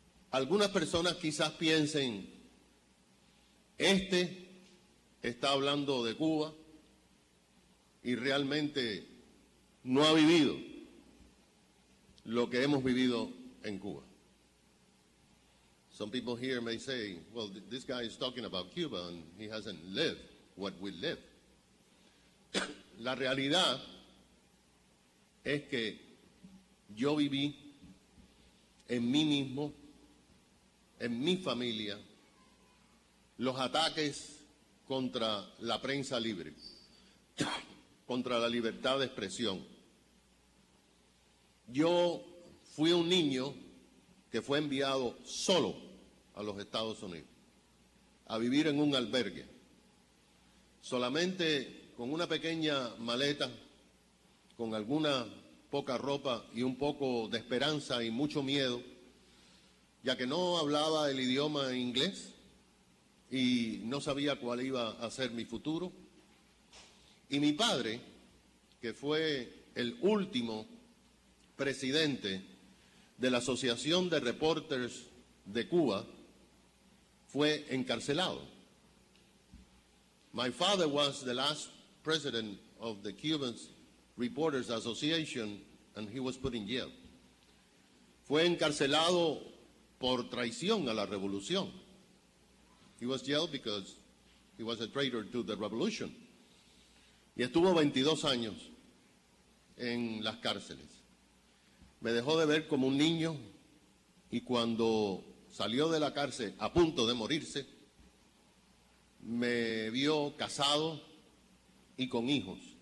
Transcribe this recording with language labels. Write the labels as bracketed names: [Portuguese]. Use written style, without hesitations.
[Spanish] Algunas personas quizás piensen, este está hablando de Cuba y realmente no ha vivido lo que hemos vivido en Cuba. [English] Some people here may say, well, this guy is talking about Cuba and he hasn't lived what we live. [Spanish] La realidad es que yo viví en mí mismo, en mi familia, los ataques contra la prensa libre, contra la libertad de expresión. Yo fui un niño que fue enviado solo a los Estados Unidos a vivir en un albergue, solamente con una pequeña maleta, con alguna poca ropa y un poco de esperanza y mucho miedo, ya que no hablaba el idioma inglés y no sabía cuál iba a ser mi futuro. Y mi padre, que fue el último presidente de la Asociación de Reporters de Cuba, fue encarcelado. [English] My father was the last president of the Cuban Reporters Association and he was put in jail. [Spanish] Fue encarcelado por traición a la revolución. [English] He was jailed because he was a traitor to the revolution. [Spanish] Y estuvo 22 años en las cárceles. Me dejó de ver como un niño y cuando salió de la cárcel a punto de morirse, me vio casado y con hijos.